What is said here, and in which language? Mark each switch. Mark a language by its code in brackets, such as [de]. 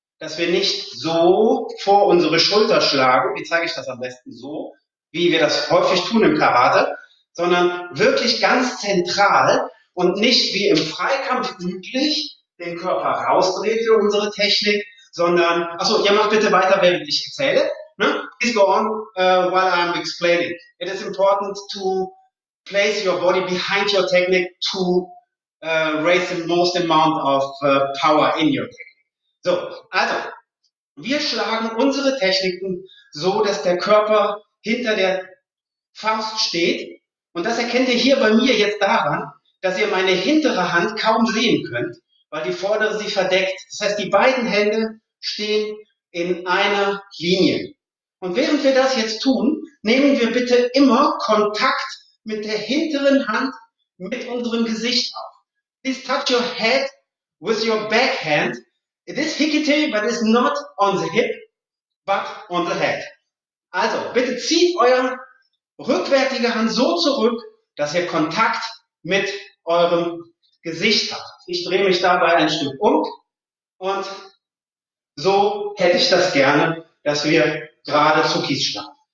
[de] Dass wir nicht so vor unsere Schulter schlagen, wie zeige ich das am besten so, wie wir das häufig tun im Karate, sondern wirklich ganz zentral. Und nicht wie im Freikampf üblich den Körper rausdreht für unsere Technik, sondern, achso, ihr macht bitte weiter, während ich erzähle. [en] Ne? Please go on, while I'm explaining. It is important to place your body behind your technique to raise the most amount of power in your technique. [de] So, also, wir schlagen unsere Techniken so, dass der Körper hinter der Faust steht. Und das erkennt ihr hier bei mir jetzt daran, dass ihr meine hintere Hand kaum sehen könnt, weil die vordere sie verdeckt. Das heißt, die beiden Hände stehen in einer Linie. Und während wir das jetzt tun, nehmen wir bitte immer Kontakt mit der hinteren Hand mit unserem Gesicht auf. [en] Please touch your head with your back hand. It is hickety, but it's not on the hip, but on the head. [de] Also, bitte zieht eure rückwärtige Hand so zurück, dass ihr Kontakt mit eurem Gesicht habt. Ich drehe mich dabei ein Stück um und so hätte ich das gerne, dass wir gerade Zuckis schlagen.